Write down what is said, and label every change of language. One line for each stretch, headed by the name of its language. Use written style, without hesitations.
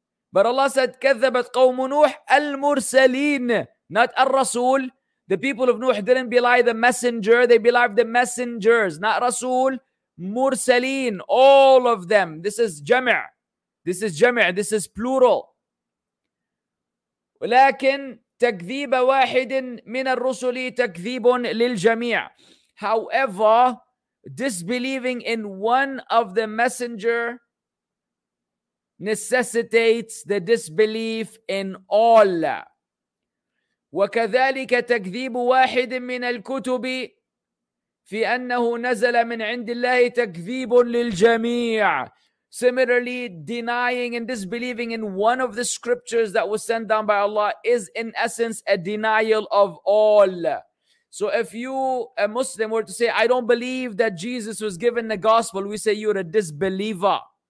English: but Allah said
Arabic: كذبت قوم نوح المرسلين
English: not الرسول the people of Nuh didn't belie the messenger they belied the messengers not رسول مرسلين all of them this is جمع this is plural
Arabic: ولكن تكذيب واحد من الرسل تكذيب للجميع.
English: However, disbelieving in one of the messenger necessitates the disbelief in all.
Arabic: وكذلك تكذيب واحد من الكتب في أنه نزل من عند الله تكذيب للجميع.
English: Similarly, denying and disbelieving in one of the scriptures that was sent down by Allah is in essence a denial of all. So if you, a Muslim, were to say, I don't believe that Jesus was given the gospel, we say you're a disbeliever.